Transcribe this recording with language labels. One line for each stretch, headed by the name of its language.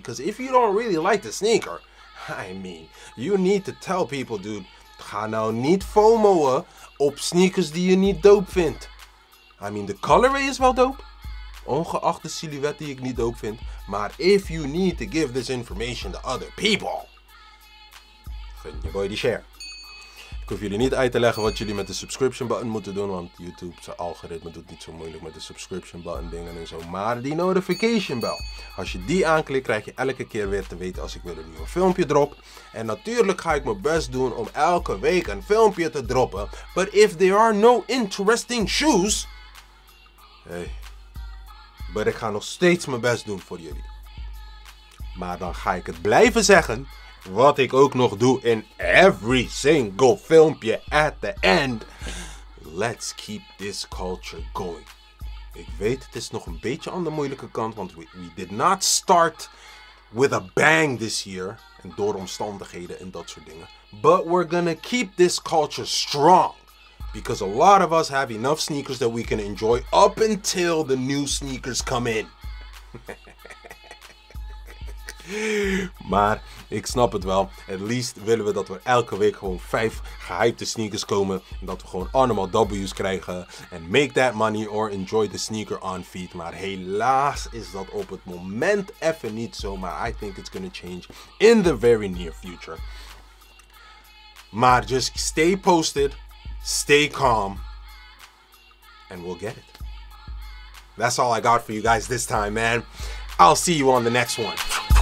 English: Because if you don't really like the sneaker. I mean, you need to tell people, dude.
Dutch: Ga nou niet FOMO'en op sneakers die je niet dope vindt.
English: I mean, the colorway is
Dutch: wel dope. Ongeacht de silhouet die ik niet dope vind.
English: Maar if you need to give this information to other people.
Dutch: Vind je boy die share. Ik hoef jullie niet uit te leggen wat jullie met de subscription button moeten doen. Want YouTube, zijn algoritme doet niet zo moeilijk met de subscription button dingen en zo. Maar die notification bell. Als je die aanklikt, krijg je elke keer weer te weten als ik weer een nieuw filmpje drop. En natuurlijk ga ik mijn best doen om elke week een filmpje te droppen.
English: But if there are no interesting shoes. Hey.
Dutch: But ik ga nog steeds mijn best doen voor jullie. Maar dan ga ik het blijven zeggen. Wat ik ook nog doe in every single filmpje
English: at the end. Let's keep this culture going.
Dutch: Ik weet, het is nog een beetje aan de moeilijke kant.
English: Want we did not start with a bang this year.
Dutch: En door omstandigheden en dat soort dingen.
English: But we're gonna keep this culture strong. Because a lot of us have enough sneakers that we can enjoy up until the new sneakers come in.
Dutch: Maar ik snap het wel. At least willen we dat er elke week gewoon 5 gehypte sneakers komen. En dat we gewoon allemaal W's krijgen.
English: En make that money or enjoy the sneaker on feet.
Dutch: Maar helaas is dat op het moment even niet zo.
English: Maar I think it's gonna change in the very near future. Maar just stay posted. Stay calm. And we'll get it. That's all I got for you guys this time, man. I'll see you on the next one.